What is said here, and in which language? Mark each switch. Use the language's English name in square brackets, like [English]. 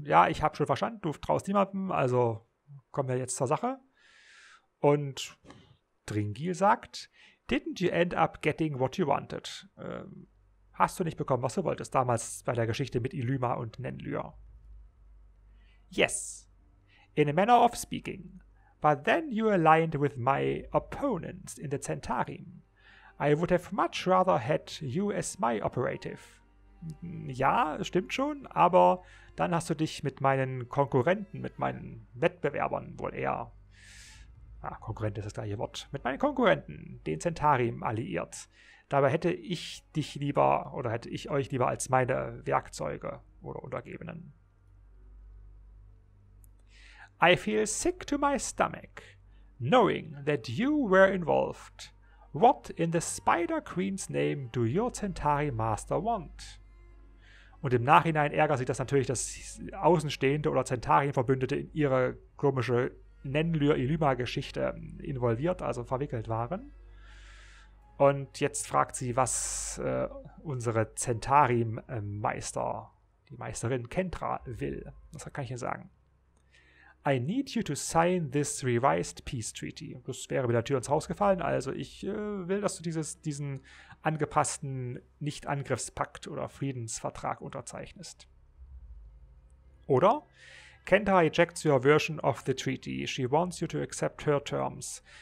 [German] Ja, ich habe schon verstanden, du traust niemandem, also kommen wir jetzt zur Sache. Und Dringil sagt, [English] didn't you end up getting what you wanted? [German] Hast du nicht bekommen, was du wolltest, damals bei der Geschichte mit Illyma und Nenlyr? [English] Yes. In a manner of speaking. But then you aligned with my opponents in the Centarim. I would have much rather had you as my operative. [German] Ja, stimmt schon, aber dann hast du dich mit meinen Konkurrenten, mit meinen Wettbewerbern wohl eher, Konkurrent ist das gleiche Wort, mit meinen Konkurrenten, den Centarim, alliiert. Dabei hätte ich dich lieber, oder hätte ich euch lieber als meine Werkzeuge oder Untergebenen. [English] I feel sick to my stomach, knowing that you were involved. What in the Spider Queen's name do your Centauri Master want? [German] Und im Nachhinein ärgert sich das natürlich, dass Außenstehende oder Centauri-Verbündete in ihre komische Nenlyr-Illyma-Geschichte involviert, also verwickelt waren. Und jetzt fragt sie, was unsere Centauri-Meister, die Meisterin Kendra, will. Das kann ich Ihnen sagen. [English] I need you to sign this revised peace treaty. [German] Das wäre mit der Tür ins Haus gefallen. Also ich will, dass du diesen angepassten Nicht-Angriffspakt oder Friedensvertrag unterzeichnest. Oder? [English] Kendra rejects your version of the treaty. She wants you to accept her terms.